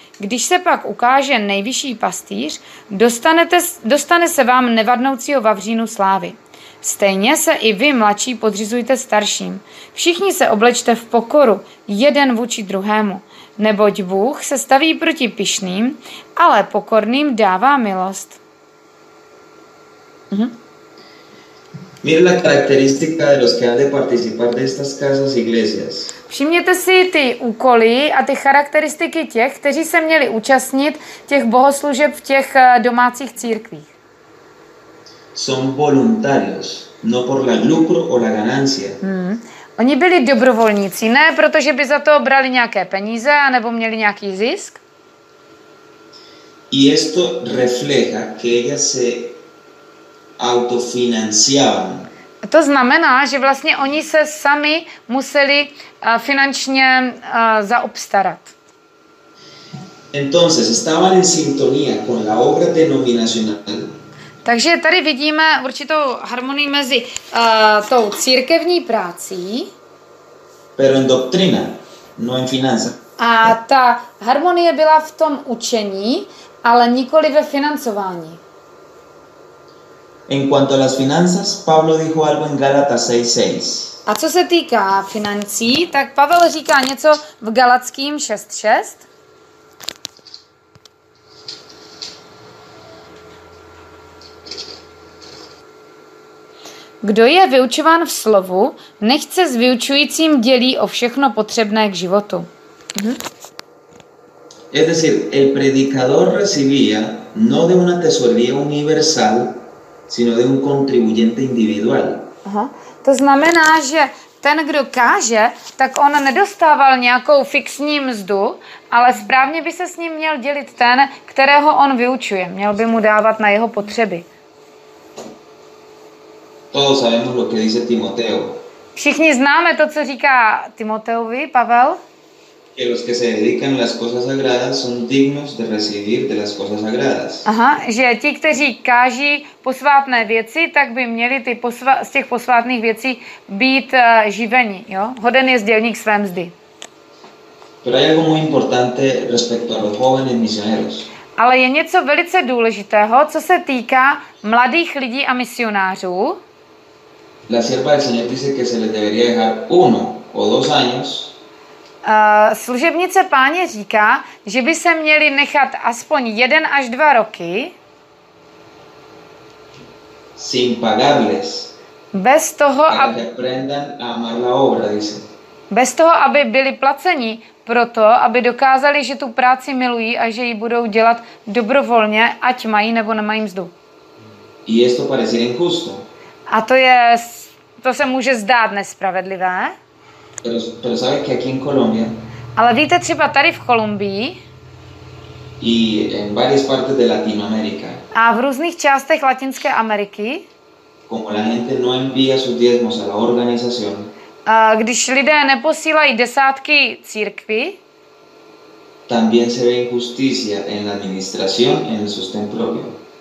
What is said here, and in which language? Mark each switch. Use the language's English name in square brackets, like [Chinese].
[Czech] Když se pak ukáže nejvyšší pastýř, dostane se vám nevadnoucího vavřínu slávy. Stejně se i vy, mladší, podřizujte starším. Všichni se oblečte v pokoru, jeden vůči druhému. Neboť Bůh se staví proti pyšným, ale pokorným dává milost. [Spanish] Mira la característica de los que han de participar de estas casas iglesias. [Czech] Všimněte si ty úkoly a ty charakteristiky těch, kteří se měli účastnit těch bohoslužeb v těch domácích církvích. [Spanish] Son voluntarios, no por la lucro o la ganancia. [Czech] Oni byli dobrovolníci, ne protože by za to brali nějaké peníze nebo měli nějaký zisk. [Spanish] Y esto refleja que ella se autofinanciaban. [Czech] To znamená, že vlastně oni se sami museli finančně zaobstarat. [Spanish] Entonces estaban en sintonía con la obra denominacional. [Czech] Takže tady vidíme určitou harmonii mezi tou církevní prací. [Spanish] Pero en doctrina, no en finanza. [Czech] A ta harmonie byla v tom učení, ale nikoli ve financování. [Spanish] En cuanto a las finanzas, Pablo dijo algo en Gálatas 6:6. [Czech] A co se týká financí, tak Pavel říká něco v Galackým 6:6. Kdo je vyučován v slovu, nechť se s vyučujícím dělí o všechno potřebné k životu. [Spanish] Es decir, el predicador recibía no de una tesorería universal, sino de un contribuyente individual. Aha. [Czech] To znamená, že ten, kdo káže, tak on nedostával nějakou fixní mzdu, ale správně by se s ním měl dělit ten, kterého on vyučuje. Měl by mu dávat na jeho potřeby. [Spanish] Todos sabemos lo que dice Timoteo. [Czech] Všichni známe to, co říká Timoteovi Pavel. [Spanish] Que los que se dedican a las cosas sagradas son dignos de recibir de las cosas sagradas. [Czech] Aha, že ti, kteří káží posvátné věci, tak by měli ty z těch posvátných věcí být živeni, jo? Hoden je sdělník své mzdy. [Spanish] Pero hay algo muy importante respecto a los jóvenes misioneros. [Czech] Ale je něco velice důležitého, co se týká mladých lidí a misionářů. [Spanish] La sierva del Señor dice que se les debería dejar uno o dos años. [Czech] Služebnice páně říká, že by se měli nechat aspoň jeden až dva roky [Spanish] sin pagarles, [Czech] bez toho, [Spanish] aby aprendan a amar la obra, dice. [Czech] Bez toho, aby byli placeni pro to, aby dokázali, že tu práci milují a že ji budou dělat dobrovolně, ať mají nebo nemají mzdu. [Spanish] Y esto parece injusto. [Czech] A to je, to se může zdát nespravedlivé. [Spanish] Pero sabe que aquí en Colombia, [Czech] ale víte, třeba tady v Kolumbii [Spanish] y en varias partes de Latinoamérica, [Czech] a v různých částech Latinské Ameriky, [Spanish] como la gente no envía sus diezmos a la organización, [Czech] a když lidé neposílají desátky církvi, [Spanish] también se ve injusticia en la administración, en el sostén propio.